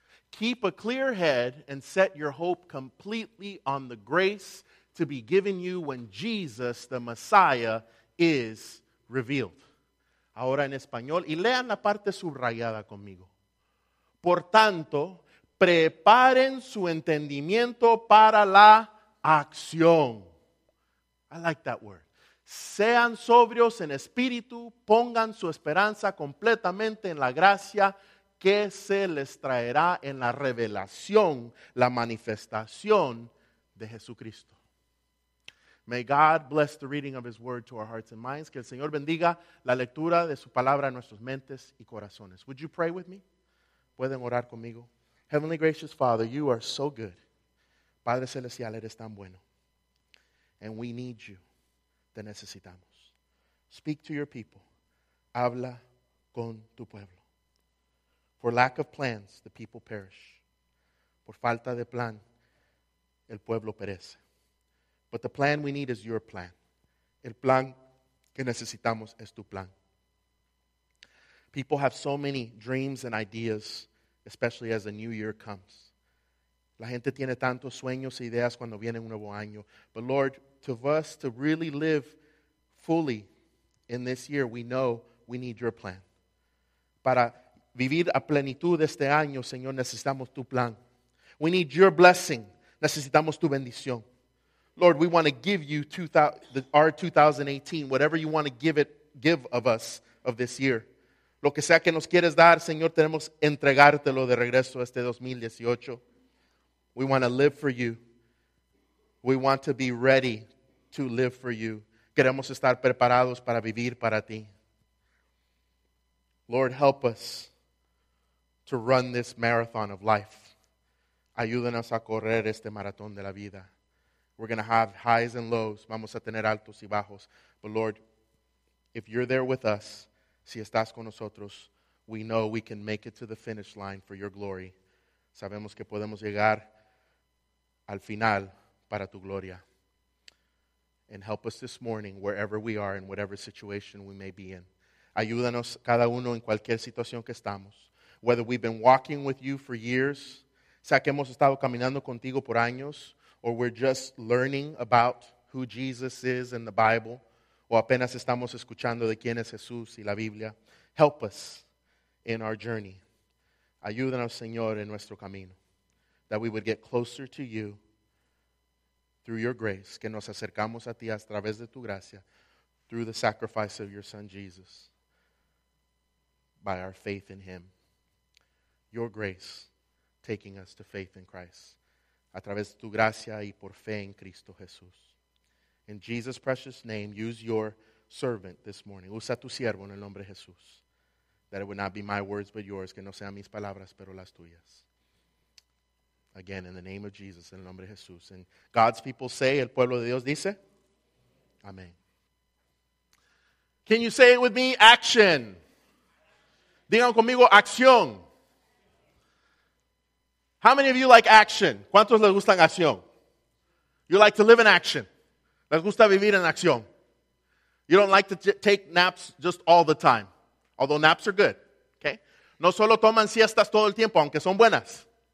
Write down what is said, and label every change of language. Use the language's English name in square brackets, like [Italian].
[English] Keep a clear head and set your hope completely on the grace to be given you when Jesus, the Messiah, is revealed. [Spanish] Ahora en español, y lean la parte subrayada conmigo. Por tanto, preparen su entendimiento para la acción. [English] I like that word. [Spanish] Sean sobrios en espíritu, pongan su esperanza completamente en la gracia que se les traerá en la revelación, la manifestación de Jesucristo. [English] May God bless the reading of his word to our hearts and minds. [Spanish] Que el Señor bendiga la lectura de su palabra a nuestras mentes y corazones. [English] Would you pray with me? [Spanish] Pueden orar conmigo. [English] Heavenly gracious Father, you are so good. [Spanish] Padre Celestial, eres tan bueno. [English] And we need you. [Spanish] Te necesitamos. [English] Speak to your people. [Spanish] Habla con tu pueblo. [English] For lack of plans, the people perish. [Spanish] Por falta de plan, el pueblo perece. [English] But the plan we need is your plan. [Spanish] El plan que necesitamos es tu plan. [English] People have so many dreams and ideas, especially as the new year comes. [Spanish] La gente tiene tantos sueños e ideas cuando viene un nuevo año. [English] But Lord, to us to really live fully in this year, we know we need your plan. [Spanish] Para vivir a plenitud este año, Señor, necesitamos tu plan. [English] We need your blessing. [Spanish] Necesitamos tu bendición. [English] Lord, we want to give you our 2018, whatever you want to give of us of this year. [Spanish] Lo que sea que nos quieres dar, Señor, tenemos entregártelo de regreso este 2018. [English] We want to live for you. We want to be ready to live for you. [Spanish] Queremos estar preparados para vivir para ti. [English] Lord, help us to run this marathon of life. [Spanish] Ayúdanos a correr este maratón de la vida. [English] We're going to have highs and lows. [Spanish] Vamos a tener altos y bajos. [English] But Lord, if you're there with us, [Spanish] si estás con nosotros, [English] we know we can make it to the finish line for your glory. [Spanish] Sabemos que podemos llegar al final para tu gloria. [English] And help us this morning, wherever we are, in whatever situation we may be in. [Spanish] Ayúdanos cada uno en cualquier situación que estamos. [English] Whether we've been walking with you for years, [Spanish] sea que hemos estado caminando contigo por años, [English] or we're just learning about who Jesus is in the Bible, [Spanish] o apenas estamos escuchando de quién es Jesús y la Biblia, [English] help us in our journey. [Spanish] Ayúdanos, Señor, en nuestro camino, [English] that we would get closer to you through your grace, [Spanish] que nos acercamos a ti a través de tu gracia, [English] through the sacrifice of your Son, Jesus, by our faith in him. Your grace taking us to faith in Christ. [Spanish] A través de tu gracia y por fe en Cristo Jesús. [English] In Jesus' precious name, use your servant this morning. [Spanish] Usa tu siervo en el nombre de Jesús. [English] That it would not be my words but yours. [Spanish] Que no sean mis palabras, pero las tuyas. [English] Again, in the name of Jesus, [Spanish] en el nombre de Jesús. [English] And God's people say, [Spanish] el pueblo de Dios dice, amén. [English] Can you say it with me? Action. [Spanish] Digan conmigo, acción. [English] How many of you like action? [Spanish] ¿Cuántos les gustan acción? [English] You like to live in action. [Spanish] Les gusta vivir en acción. [English] You don't like to take naps just all the time. Although naps are good. Okay? [Spanish] No solo toman siestas todo el tiempo, aunque son buenas.